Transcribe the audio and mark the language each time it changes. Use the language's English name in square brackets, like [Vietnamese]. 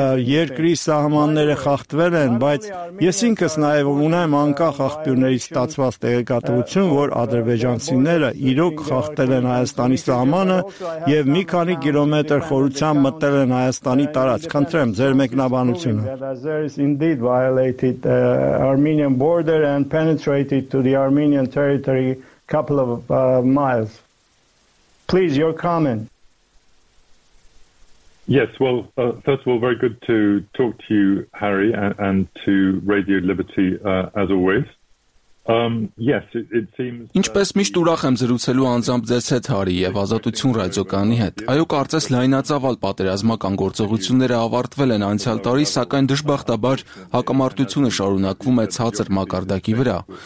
[Armenian] երկրի սահմանները խախտվել են, բայց ես ինքս նաև ունեմ անկախ աղբյուրներից ստացված տեղեկատվություն, որ ադրբեջանցիները իրոք խախտել են Հայաստանի սահմանը և մի քանի կիլոմետր խորությամբ մտել են Հայաստանի տարածք։ Խնդրեմ ձեր մեկնաբանությունը։ [English] There is indeed violated Armenian border and penetrated to the Armenian territory couple of miles. Please, your comment. Yes, well, first of all, very good to talk to you, Harry, and to Radio Liberty, as always. [Armenian] Ինչպես միշտ ուրախ եմ զրուցելու անձամբ ձեզ հետ, Հարի, և Ազատություն ռադիոկանի հետ։ Այո, կարծես լայնածավալ պատերազմական գործողությունները ավարտվել են անցյալ տարի, սակայն դժբախտաբար հակամարտությունը շարունակվում է ցածր մակարդակի վրա։